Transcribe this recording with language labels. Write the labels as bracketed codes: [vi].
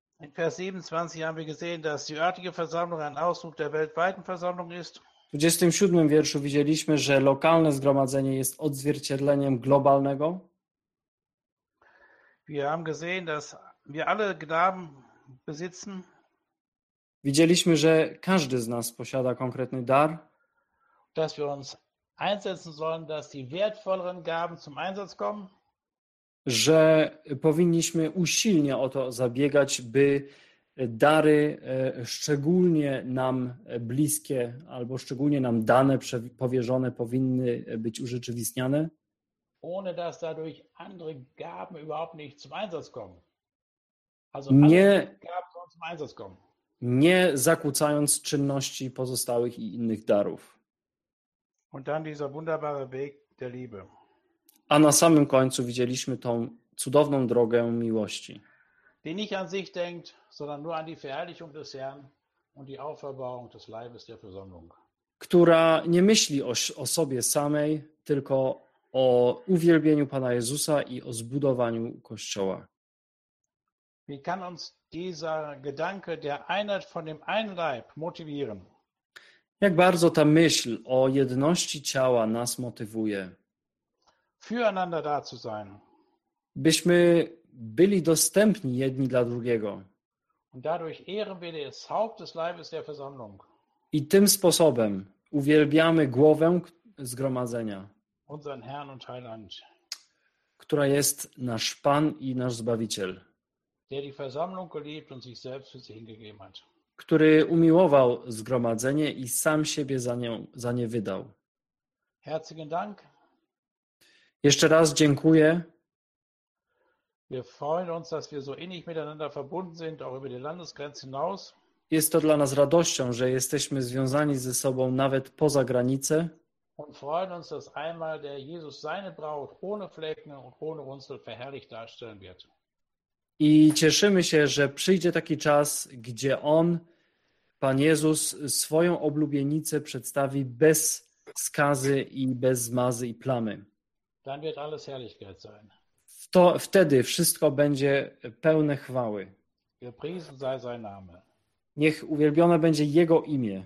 [de] In Vers 27 haben wir gesehen, dass die örtliche Versammlung ein Ausdruck der weltweiten Versammlung ist. [pl] W 27 wierszu widzieliśmy, że lokalne zgromadzenie jest odzwierciedleniem globalnego. [de] Wir haben gesehen, dass wir alle Gaben besitzen. [pl] Widzieliśmy, że każdy z nas posiada konkretny dar. [de] Dass wir uns einsetzen sollen, dass die wertvolleren Gaben zum Einsatz kommen. [pl] Że powinniśmy usilnie o to zabiegać, by dary szczególnie nam bliskie albo szczególnie nam dane powierzone powinny być urzeczywistniane. [de] Ohne dass dadurch andere Gaben überhaupt nicht zum Einsatz kommen. Also nie, Gaben sollen zum Einsatz kommen. [pl] Nie zakłócając czynności pozostałych i innych darów. [de] Und dann dieser wunderbare Weg der Liebe. [pl] A na samym końcu widzieliśmy tą cudowną drogę miłości. [de] Die nicht an sich denkt, sondern nur an die Verherrlichung des Herrn und die Auferbauung des Leibes der Versammlung. [pl] Która nie myśli o sobie samej, tylko o uwielbieniu Pana Jezusa i o zbudowaniu Kościoła. [de] Wie kann uns dieser Gedanke der Einheit von dem einen Leib motivieren? [pl] Jak bardzo ta myśl o jedności ciała nas motywuje? [de] Füreinander da zu sein. [pl] Byśmy byli dostępni jedni dla drugiego. [de] Und dadurch ehren wir das Haupt des Leibes der Versammlung. [pl] I tym sposobem uwielbiamy głowę zgromadzenia. [de] Unseren Herrn und Heiland. [pl] Która jest nasz Pan i nasz Zbawiciel. [de] Der die Versammlung geliebt und sich selbst für sie hingegeben hat. [pl] Który umiłował zgromadzenie i sam siebie za nie wydał. [de] Herzlichen Dank. [pl] Jeszcze raz dziękuję. [de] Wir freuen uns, dass wir so innig miteinander verbunden sind, auch über die Landesgrenze hinaus. [pl] Jest to dla nas radością, że jesteśmy związani ze sobą nawet poza granicę. [de] Und freuen uns, dass einmal der Jesus seine Braut ohne Flecken und ohne Runzel verherrlicht darstellen wird. [pl] I cieszymy się, że przyjdzie taki czas, gdzie On, Pan Jezus, swoją oblubienicę przedstawi bez skazy i bez zmazy i plamy. [de] Dann wird alles Herrlichkeit sein. [pl] Wtedy wszystko będzie pełne chwały. [de] Gepriesen sei sein Name. [pl] Niech uwielbione będzie Jego imię.